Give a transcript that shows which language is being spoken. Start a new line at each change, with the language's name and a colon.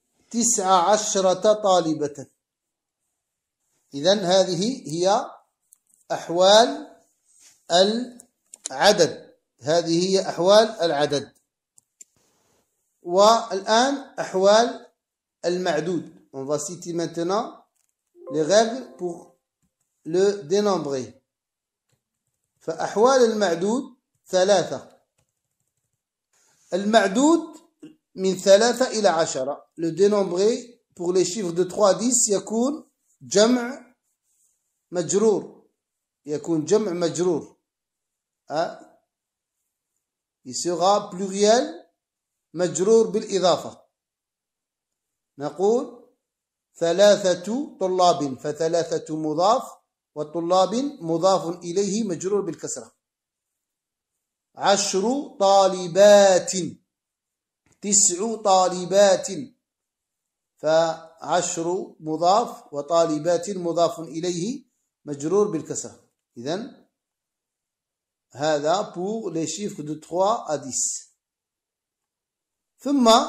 Arabic: تسع عشرة طالبة إذن هذه هي أحوال العدد هذه هي أحوال العدد والآن أحوال المعدود
French: On va citer maintenant les règles pour le dénombrer.
Arabic: فأحوال المعدود ثلاثة. المعدود من ثلاثة إلى عشرة.
French: Le dénombré pour les chiffres de 3 à 10
Arabic: يكون جمع مجرور. يكون جمع مجرور.
French: Il sera pluriel
Arabic: مجرور بالإضافة. نقول ثلاثة طلاب فثلاثة مضاف وطلاب مضاف إليه مجرور بالكسرة عشر طالبات تسع طالبات فعشر مضاف وطالبات مضاف إليه مجرور بالكسرة إذن هذا
French: pour les chiffres de 3 à 10
Arabic: ثم